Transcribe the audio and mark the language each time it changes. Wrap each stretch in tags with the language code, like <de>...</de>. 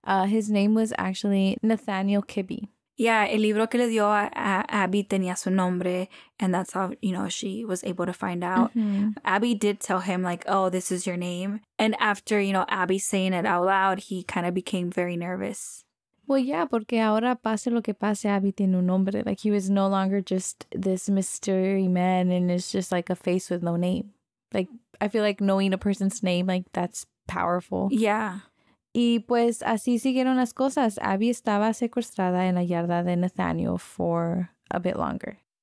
<en>His name was actually Nathaniel Kibbe. Yeah,</en> <es>el libro que le dio a Abby tenía su nombre,</es> <en>and that's how, you know, she was able to find out. Mm-hmm. Abby did tell him, like, oh, this is your name. And after, you know, Abby saying it out loud, he kind of became very nervous. Well, yeah,</en> <es>porque ahora pase lo que pase, Abby tiene un nombre.</es> <en>Like, he was no longer just this mystery man, and it's just like a face with no name. Like, I feel like knowing a person's name, like, that's powerful. Yeah.</en> <es>Y pues así siguieron las cosas. Abby estaba secuestrada en la yarda de Nathaniel</es> <en>for a bit longer.</en>